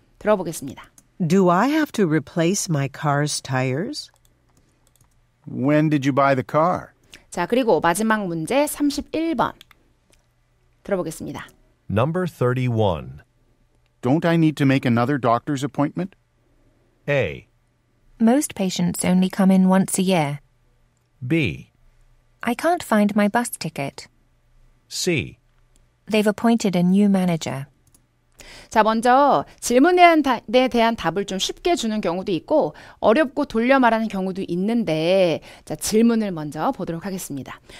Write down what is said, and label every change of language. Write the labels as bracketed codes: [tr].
[ko] 들어보겠습니다. [en] Do I have to replace my car's tires? When did you buy the car? [ko] 자, 그리고 마지막 문제 31번. 들어보겠습니다. [en] Number 31. Don't I need to make another doctor's appointment? A. Most patients only come in once a year. B. I can't find my bus ticket. C. They've appointed a new manager. [ko] 자, 먼저 질문에 대한 답을 좀 쉽게 주는 경우도 있고 어렵고 돌려 말하는 경우도 있는데 자, 질문을 먼저 보도록 하겠습니다.